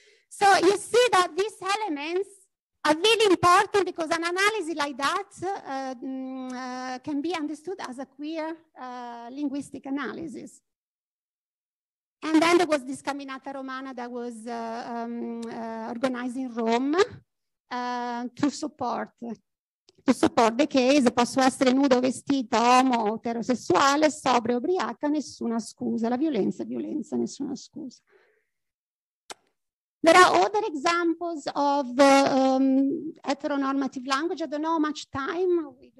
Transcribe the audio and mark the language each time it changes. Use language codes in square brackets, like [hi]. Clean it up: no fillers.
[en] So you see that these elements are really important because an analysis like that can be understood as a queer linguistic analysis. And then there was this Camminata Romana that was organized in Rome to support the case. [it] Posso essere nudo, vestita, homo, eterosessuale, sobria, ubriaca, nessuna scusa. La violenza, violenza, nessuna scusa. [en] There are other examples of heteronormative language. I don't know how much time.